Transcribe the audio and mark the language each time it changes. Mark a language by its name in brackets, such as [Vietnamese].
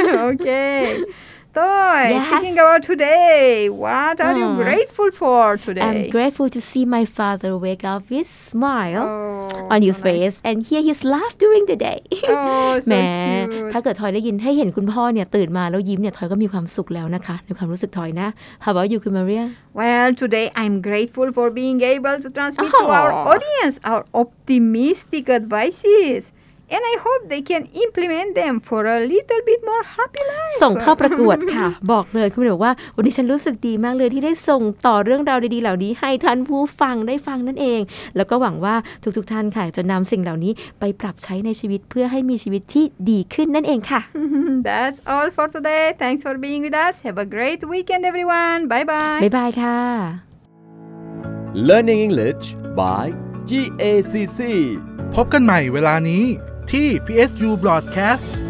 [English] Okay. Toy, yes. Speaking about today, what are you grateful for today? I'm grateful to see my father wake up with smile oh, on so his face nice. And hear his laugh during the day. Oh, so cute. [Thai] ถ้าเกิดทอยได้ยินให้เห็นคุณพ่อเนี่ยตื่นมาแล้วยิ้มเนี่ยทอยก็มีความสุขแล้วนะคะในความรู้สึกทอยนะ [English] How about you, Maria? Well, today I'm grateful for being able to transmit to our audience our optimistic advices. And I hope they can implement them for a little bit more happy life. [Thai] ส่งเข้าประกวดค่ะบอกเลยคุณหนูว่าวันนี้ฉันรู้สึกดีมากเลยที่ได้ส่งต่อเรื่องราวดีๆเหล่านี้ให้ท่านผู้ฟังได้ฟังนั่นเองแล้วก็หวังว่าทุกๆท่านค่ะจะนำสิ่งเหล่านี้ไปปรับใช้ในชีวิตเพื่อให้มีชีวิตที่ดีขึ้นนั่นเองค่ะ [English] That's all for today. Thanks for being with us. Have a great weekend, everyone. Bye bye. Bye bye ค่ะ Learning English by GACC. [Thai] พบกันใหม่เวลานี้ที่ PSU Broadcast